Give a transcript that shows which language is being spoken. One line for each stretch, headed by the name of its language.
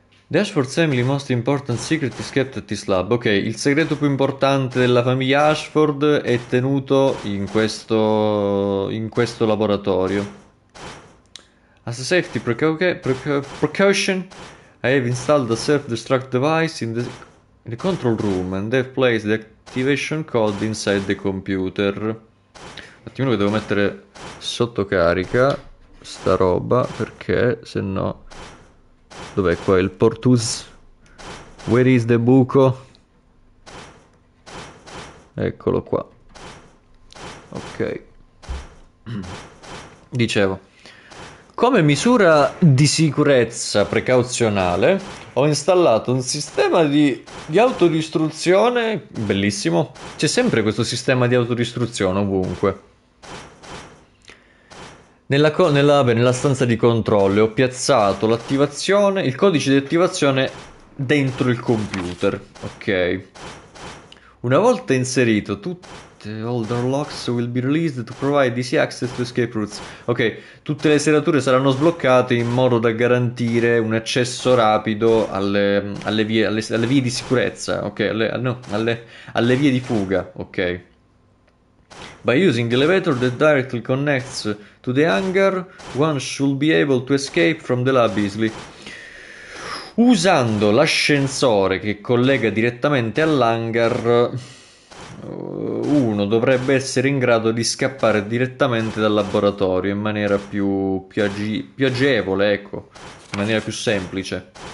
English: Ashford Family Most Important Secret is kept at this lab.
Italian: Ok, il segreto più importante della famiglia Ashford è tenuto in questo laboratorio.
English: As a safety precaution, I have installed a self-destruct device in the control room and have placed the activation code inside the computer.
Italian: Un attimino che devo mettere sotto carica sta roba, perché se no... Dov'è qua il portus?
English: Where is the
Italian: buco? Eccolo qua. Ok. Dicevo. Come misura di sicurezza precauzionale, ho installato un sistema di autodistruzione. Bellissimo. C'è sempre questo sistema di autodistruzione ovunque. Nella stanza di controllo ho piazzato l'attivazione, il codice di attivazione dentro il computer. Ok. Una volta inserito, tutte
English: all the locks will be released to provide easy access to escape routes.
Italian: Ok, tutte le serrature saranno sbloccate in modo da garantire un accesso rapido alle vie di sicurezza. Ok, alle vie di fuga. Ok.
English: By using the elevator that directly connects to the hangar, one should be able to escape from the lab easily.
Italian: Usando l'ascensore che collega direttamente all'hangar, uno dovrebbe essere in grado di scappare direttamente dal laboratorio in maniera più agevole, ecco, in maniera più semplice.